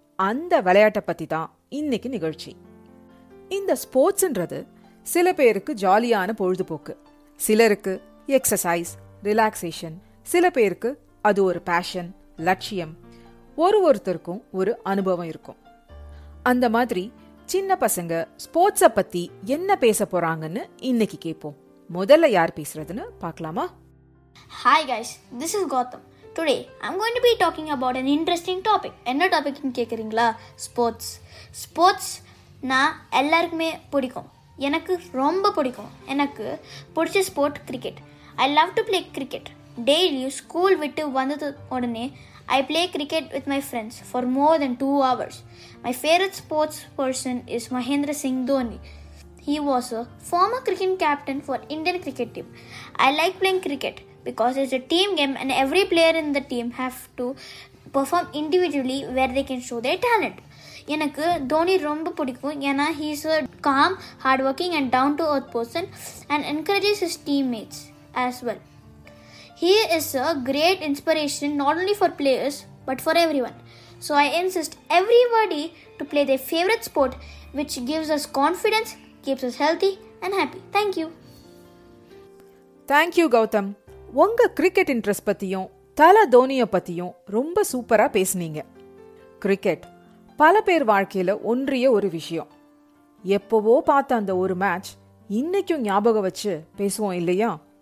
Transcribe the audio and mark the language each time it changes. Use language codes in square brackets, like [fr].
[ta] அந்த விளையாட்டை பத்தி தான் இன்னைக்கு நிகழ்ச்சி. இந்த ஸ்போர்ட்ஸ்ன்றது சில பேருக்கு ஜாலியான பொழுதுபோக்கு, சிலருக்கு எக்ஸசைஸ் ரிலாக்ஸேஷன், சில பேருக்கு அது ஒரு பேஷன் லட்சியம். ஒரு ஒருத்தருக்கும் ஒரு அனுபவம் இருக்கும். அந்த மாதிரி சின்ன பசங்க ஸ்போர்ட்ஸ பத்தி என்ன பேச போறாங்கன்னு இன்னைக்கு கேப்போம். முதல்ல யார் பேசுறதுன்னு பார்க்கலாமா? [en] Hi guys, this is Gautam. Today I'm going to be talking about an interesting topic. [ta] என்ன டாபிக் கேக்குறீங்களா? ஸ்போர்ட்ஸ். ஸ்போர்ட்ஸ் நான் எல்லாருக்குமே பிடிக்கும், எனக்கு ரொம்ப பிடிக்கும். எனக்கு பிடிச்ச sport cricket. [en] I love to play cricket. [ta] Daily school விட்டு வந்தது உடனே [en] I play cricket with my friends for more than 2 hours. My favourite sports person is Mahendra Singh Dhoni. He was a former cricket captain for Indian cricket team. I like playing cricket because it's a team game and every player in the team have to perform individually where they can show their talent. [ta] எனக்கு தோனி ரொம்ப பிடிக்கும், ஏன்னா [en] He is a calm hard working and down to earth person and encourages his team mates as well. He is a great inspiration not only for players but for everyone. So I insist everybody to play their favorite sport which gives us confidence, keeps us healthy and happy. Thank you. Thank you Gautam. [ta] உங்க cricket interest பத்தியும் தல தோனிய பத்தியும் ரொம்ப சூப்பரா பேசுனீங்க. Cricket பல பேர் வாழ்க்கையில ஒன்றிய ஒரு விஷயம். எப்பவோ பார்த்த அந்த ஒரு மேட்ச் இன்னைக்கும் ஞாபகம் வச்சு பேசுவோம் இல்லையா?